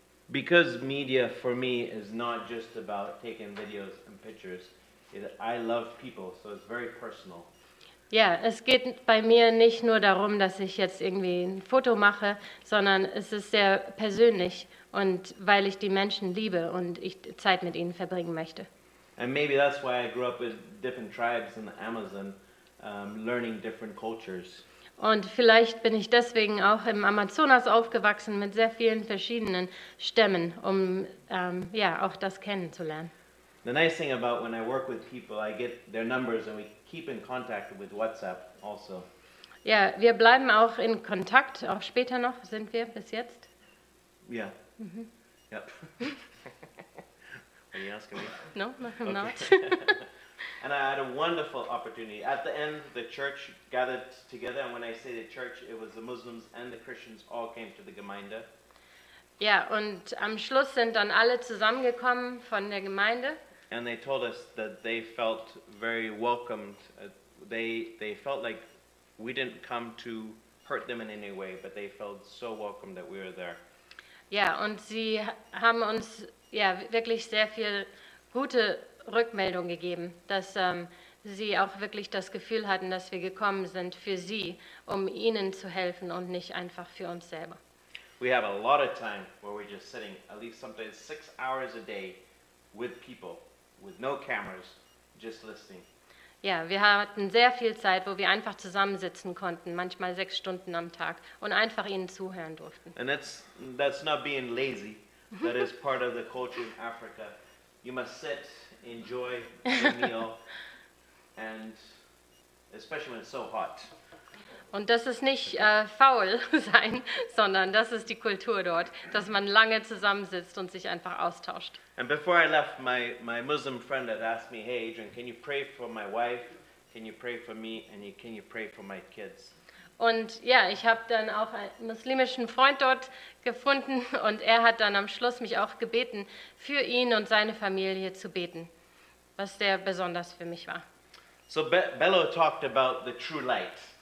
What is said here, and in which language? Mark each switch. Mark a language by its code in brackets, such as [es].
[en] Because media for me is not just about taking videos and pictures. I love people, so it's very personal. [de] Yeah, es geht bei mir nicht nur darum, dass ich jetzt irgendwie ein Foto mache, sondern es ist sehr persönlich und weil ich die Menschen liebe und ich Zeit mit ihnen verbringen möchte. [en] And maybe that's why I grew up with different tribes in the Amazon, learning different cultures. [de] Und vielleicht bin ich deswegen auch im Amazonas aufgewachsen mit sehr vielen verschiedenen Stämmen, um auch das kennenzulernen. [en] The nice thing about when I work with people, I get their numbers and we keep in contact with WhatsApp also. [de] Yeah, wir bleiben auch in Kontakt, auch später noch sind wir bis jetzt. [en] Yeah. Mm-hmm. Yep. Are you asking me? No, I'm not. And I had a wonderful opportunity. At the end, the church gathered together, and when I say the church, it was the Muslims and the Christians all came to the Gemeinde. [de] Ja, und am Schluss sind dann alle zusammengekommen von der Gemeinde. [en] And they told us that they felt very welcomed. They felt like we didn't come to hurt them in any way, but they felt so welcome that we were there. [de] Ja, und sie haben uns wirklich sehr viel gute Rückmeldung gegeben, dass sie auch wirklich das Gefühl hatten, dass wir gekommen sind für sie, um ihnen zu helfen und nicht einfach für uns selber. [en] We have a lot of time where we're just sitting, at least sometimes 6 hours a day with people, with no cameras, just listening. [de] Ja, wir hatten sehr viel Zeit, wo wir einfach zusammensitzen konnten, manchmal 6 Stunden am Tag, und einfach ihnen zuhören durften. [en] And that's not being lazy, that is part of the culture in Africa. You must sit, enjoy the meal, and especially when it's so hot. [de] Und das ist nicht faul sein, sondern das ist die Kultur dort, dass man lange zusammensitzt und sich einfach austauscht. [en] And before I left, my Muslim friend had asked me, "Hey Adrian, can you pray for my wife? Can you pray for me? And can you pray for my kids?" [de] Und ich habe dann auch einen muslimischen Freund dort gefunden und er hat dann am Schluss mich auch gebeten, für ihn und seine Familie zu beten, was sehr besonders für mich war. [en] So Bello talked about the true light.